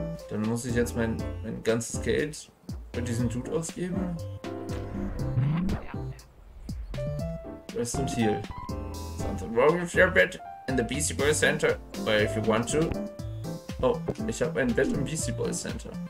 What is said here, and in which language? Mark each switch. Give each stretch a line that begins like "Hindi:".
German: Dann muss ich jetzt mein ganzes Geld für diesen Dude ausgeben.
English: Rest and heal. Something wrong with your bed in the Beastieball Center. Well, if you want to.
German: Oh, ich habe ein Bett im Beastieball Center.